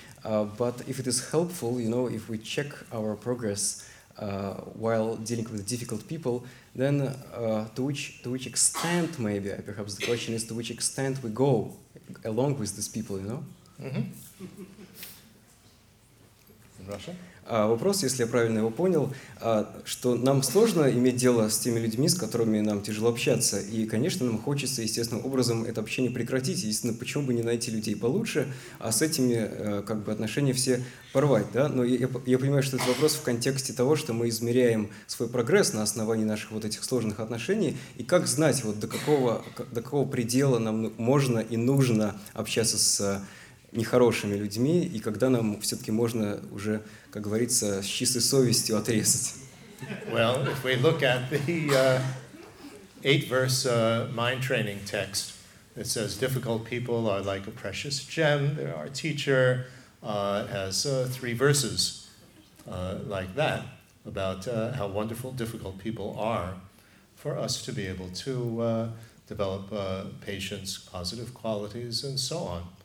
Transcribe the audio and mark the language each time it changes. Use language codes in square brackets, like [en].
[en] But if it is helpful, you know, if we check our progress while dealing with difficult people, then to which extent, maybe, perhaps the question is to which extent we go along with these people, you know? Mm-hmm. Russia? [ru] Вопрос, если я правильно его понял, что нам сложно иметь дело с теми людьми, с которыми нам тяжело общаться, и, конечно, нам хочется естественным образом это общение прекратить, естественно, почему бы не найти людей получше, а с этими как бы отношения все порвать, да? Но я понимаю, что это вопрос в контексте того, что мы измеряем свой прогресс на основании наших вот этих сложных отношений, и как знать, вот до какого предела нам можно и нужно общаться с нехорошими людьми, и когда нам все-таки можно уже, как говорится, с чистой совестью отрезать. [en] Well, if we look at the eight-verse mind training text, it says difficult people are like a precious gem. They're our teacher has three verses like that about how wonderful difficult people are for us to be able to develop patience, positive qualities, and so on.